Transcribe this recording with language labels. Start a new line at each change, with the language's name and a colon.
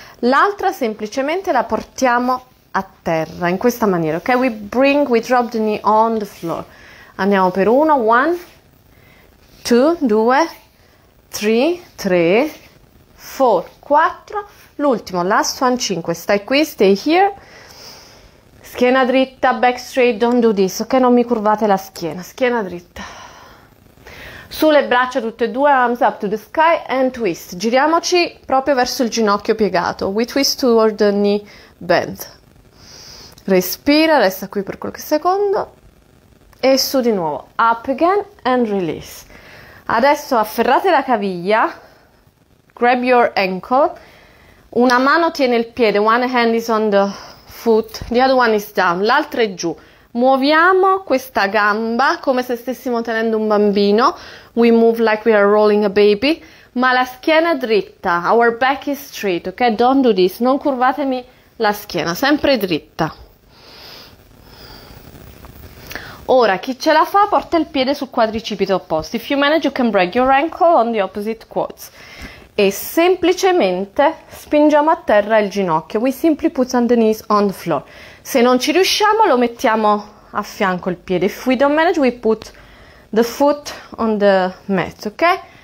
Italian: L'altra semplicemente la portiamo a terra, in questa maniera, ok?
English: We drop the knee on the floor.
Italian: Andiamo per uno,
English: one, two,
Italian: due, tre,
English: four,
Italian: quattro, l'ultimo,
English: last one,
Italian: cinque. Stai qui,
English: stay here.
Italian: Schiena dritta,
English: back straight, don't do this, ok?
Italian: Non mi curvate la schiena, schiena dritta. Sulle braccia tutte e due,
English: arms up to the sky and twist.
Italian: Giriamoci proprio verso il ginocchio piegato.
English: We twist toward the knee bend.
Italian: Respira, resta qui per qualche secondo. E su di nuovo,
English: up again and release.
Italian: Adesso afferrate la caviglia,
English: grab your ankle.
Italian: Una mano tiene il piede,
English: one hand is on the foot, the other one is down,
Italian: l'altra è giù. Muoviamo questa gamba come se stessimo tenendo un bambino.
English: We move like we are rolling a baby.
Italian: Ma la schiena è dritta,
English: our back is straight, ok? Don't do this,
Italian: non curvatemi la schiena, sempre dritta. Ora, chi ce la fa, porta il piede sul quadricipite opposto.
English: If you manage, you can break your ankle on the opposite quads.
Italian: E semplicemente spingiamo a terra il ginocchio.
English: We simply put on the knees on the floor.
Italian: Se non ci riusciamo, lo mettiamo a fianco il piede.
English: If we don't manage, we put the foot on the mat, ok?